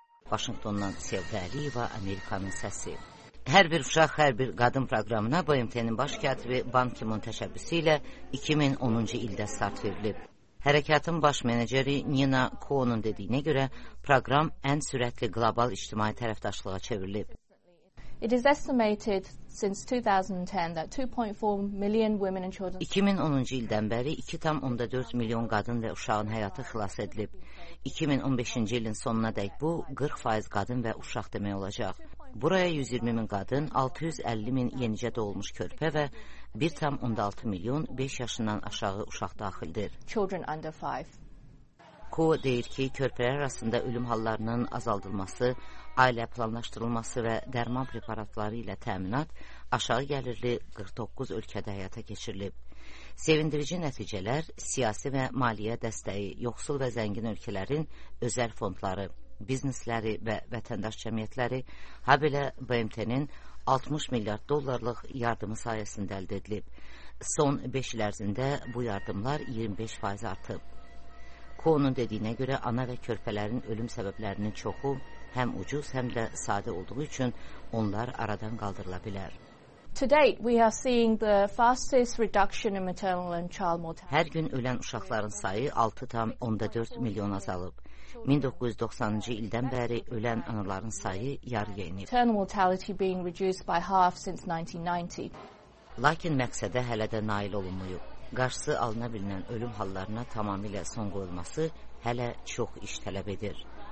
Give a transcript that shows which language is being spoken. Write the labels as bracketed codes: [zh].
[az] Vaşinqtondan Sevda Əliyeva, Amerikanın səsi. Hər bir uşaq, hər bir qadın proqramına BMT-nin baş katibi Ban Ki-moon təşəbbüsü ilə 2010-cu ildə start verilib. Hərəkatın baş menedjeri Nina Kuo-nun dediyinə görə, proqram ən sürətli qlobal ictimai tərəfdaşlığa çevrilib. [en] It is estimated since 2010 that 2.4 million women and children [az] 2010-cu ildən bəri 2.4 milyon qadın və uşağın həyatı xilas edilib. 2015-ci ilin sonuna dək bu 40% qadın və uşaq demək olacaq. Buraya 120 min qadın, 650 min yenicə doğulmuş körpə və 1.6 milyon 5 yaşından aşağı uşaq daxildir. [en] Children under 5. [az] Ko deyir ki, körpələr arasında ölüm hallarının azaldılması, ailə planlaşdırılması və dərman preparatları ilə təminat aşağı gəlirli 49 ölkədə həyata keçirilib. Sevindirici nəticələr, siyasi və maliyyə dəstəyi, yoxsul və zəngin ölkələrin özəl fondları, biznesləri və vətəndaş cəmiyyətləri, ha belə BMT-nin 60 milyard dollarlıq yardımı sayəsində əldə edilib. Son 5 il ərzində bu yardımlar 25% artıb. Konun dediyinə görə ana və körpələrin ölüm səbəblərinin çoxu həm ucuz, həm də sadə olduğu üçün onlar aradan qaldırıla bilər. [en] To date we are seeing the fastest reduction in maternal and child mortality. [az] Hər gün ölən uşaqların sayı 6.4 milyon azalıb. 1990-cı ildən bəri ölən anaların sayı yarıya enib. [en] Maternal mortality being reduced by half since 1990. [az] Lakin məqsədə hələ də nail olunmuyub. Qarşısı alına bilinən ölüm hallarına tamamilə son qoyulması hələ çox iş tələb edir.